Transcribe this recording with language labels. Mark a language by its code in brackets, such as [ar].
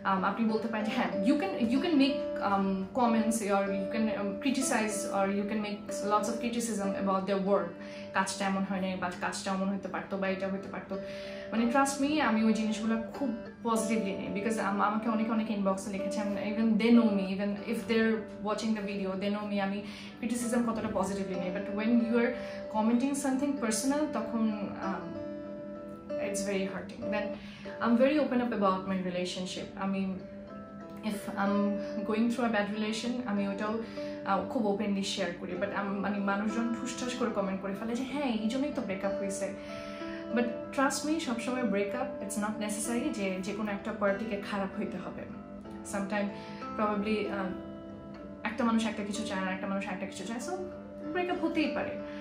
[bn] আপনি বলতে পারেন যে হ্যাঁ, [en] you can make comments আর you can criticize আর you can make lots of criticism about the work, [bn] কাজটা এমন হয় নাই বা কাজটা এমন হতে পারতো বা এটা হতে পারতো, মানে [en] trust me, [bn] আমি ওই জিনিসগুলো খুব পজিটিভলি নিই। [en] because [bn] আমাকে অনেকে অনেক ইনবক্সে লিখেছে, [en] even they know me, even if they are watching the video they know me, [bn] আমি ক্রিটিসিজম কতটা পজিটিভলি নিই। [en] But when you are commenting something personal, তখন it's very hurting. Then I'm very open up about my relationship. I mean, if I'm going through a bad relation, I mean, [bn] ওটাও খুব openly share করি. [en] But I'm [bn] মানে মানুষজন ঠুসঠাস করে comment করে ফেলে যে হ্যাঁ এই জন্যই তো breakup হয়েছে. [en] But trust me, [bn] সবসময় breakup [en] it's not necessary [bn] যে যে কোনো একটা পার্টিকে খারাপ হইতে হবে. [en] Sometimes probably [bn] একটা মানুষ একটা কিছু চায় আর একটা মানুষ একটা কিছু চায়, so breakup হতেই পারে.